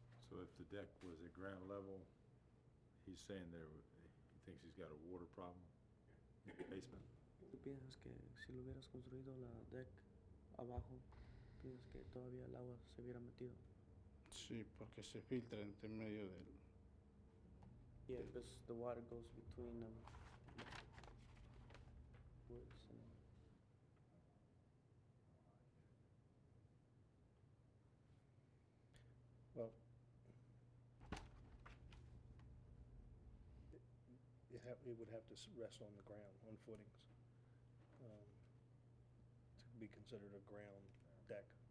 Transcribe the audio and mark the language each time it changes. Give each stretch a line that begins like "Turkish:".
English: So if the deck was at ground level, he's saying there, he thinks he's got a water problem in the basement?
Spanish: ¿Tú piensas que si lo hubieras construido la deck abajo, piensas que todavía el agua se hubiera metido? Sí, porque se filtra entre medio del.
English: Yeah, because the water goes between the woods and... Well, it would have to rest on the ground, on footings, to be considered a ground deck.